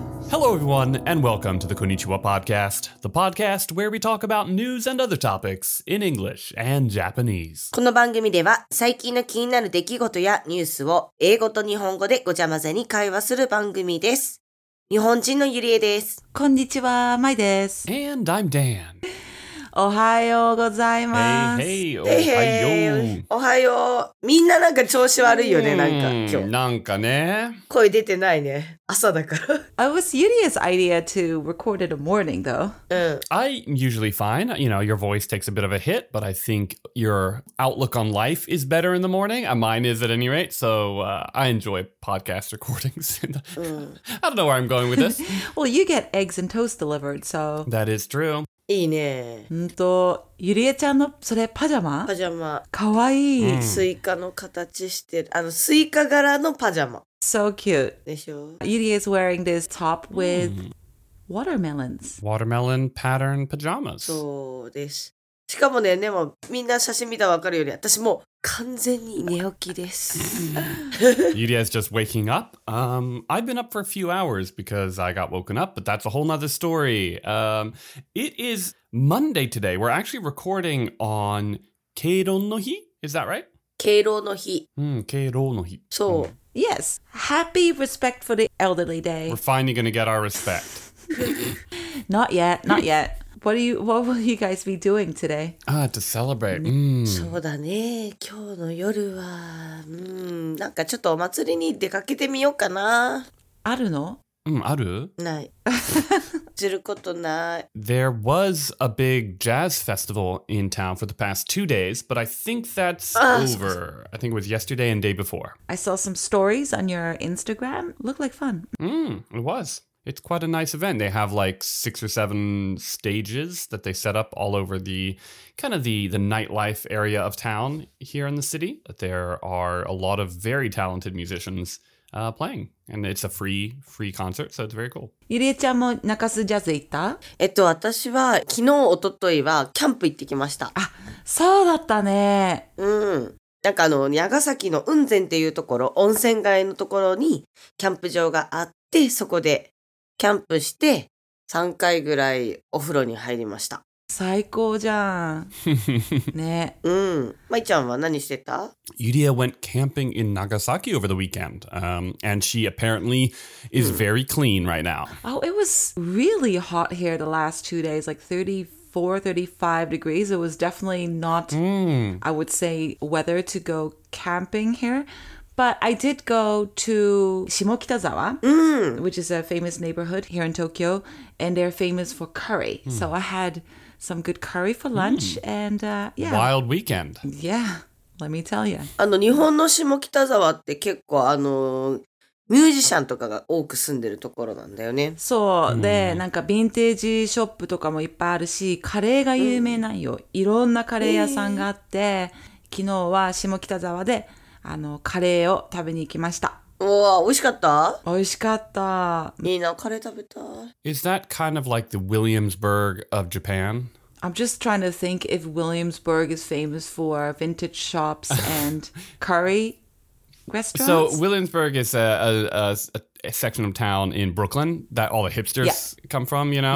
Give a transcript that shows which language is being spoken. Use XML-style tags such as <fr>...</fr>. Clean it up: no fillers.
<en>Hello, everyone, and welcome to the Konnichiwa Podcast, the podcast where we talk about news and other topics in English and Japanese.</en> <ja>この番組では最近の気になる出来事やニュースを英語と日本語でごちゃ混ぜに会話する番組です。日本人のゆりえです。こんにちは、まいです。</ja> <en>And I'm Dan.</en> <ja>おはようございます。</ja> <en>Hey,</en> <ja>おはよう。みんななんか調子悪いよね、なんか今日。なんかね。声出てないね。朝だから。</ja> <en>It was Yuria's idea to record it a morning, though. I'm usually fine. You know, your voice takes a bit of a hit, but I think your outlook on life is better in the morning. Mine is at any rate, so I enjoy podcast recordings. I don't know where I'm going with this. Well, you get eggs and toast delivered, so... That is true.</en> <ja>いいね。んと、ゆりえちゃんの、それ、パジャマ？パジャマ。かわいい。スイカの形してる。あの、スイカ柄のパジャマ。</ja> <en>So cute.</en> <ja>でしょ？</ja> <en>ゆりえ is wearing this top with watermelons. Watermelon pattern pajamas.</en> <ja>そうです。しかもね、でも、みんな写真見たらわかるように、私もう完全に寝起きです。</ja> <en>ゆりえ is just waking up. I've been up for a few hours because I got woken up, but that's a whole nother story. It is Monday today. We're actually recording on 敬老の日?Is that right?</en> <ja>敬老の日。敬老の日。そう。</ja> <en>Yes. Happy Respect for the Elderly Day. We're finally going to get our respect. Not yet. Not yet. What will you guys be doing today? Ah, to celebrate.</en> <ja>そうだね。今日の夜は、なんかちょっとお祭りに出かけてみようかな。あるの？ある？ない。することない。</ja> <en>There was a big jazz festival in town for the past 2 days, but I think that's over. I think it was yesterday and day before. I saw some stories on your Instagram. Looked like fun. It was. It's quite a nice event. They have like 6 or 7 stages that they set up all over the kind of the nightlife area of town here in the city. There are a lot of very talented musicians playing. And it's a free concert, so it's very cool.</en> <ja>Yuri-chan も中洲ジャズ行った？私は昨日、一昨日はキャンプ行ってきました。あ、そうだったね。なんかあの、長崎の雲仙っていうところ、温泉街のところにキャンプ場があって、そこでキャンプして3回ぐらいお風呂に入りました。最高じゃん。ね。まいちゃんは何してた？</ja> <en>Yuria went camping in Nagasaki over the weekend. And she apparently is very clean right now. Oh, it was really hot here the last 2 days, like 34, 35 degrees. It was definitely not, I would say, weather to go camping here. But I did go to Shimokitazawa, which is a famous neighborhood here in Tokyo, and they're famous for curry. So I had some good curry for lunch, and yeah. Wild weekend. Yeah, let me tell you.</en> <ja>あの、日本の Shimokitazawa って結構あの、ミュージシャンとかが多く住んでるところなんだよね。そう。で、なんかヴィンテージショップとかもいっぱいあるし、カレーが有名なんよ。いろんなカレー屋さんがあって、昨日は Shimokitazawa で、あのカレーを食べに行きました。わあ、美味しかった？美味しかった。いいな、カレー食べたい。</ja> <en>Is that kind of like the Williamsburg of Japan? I'm just trying to think if Williamsburg is famous for vintage shops and curry restaurants. So Williamsburg is a section of town in Brooklyn that all the hipsters come from, you know?</en>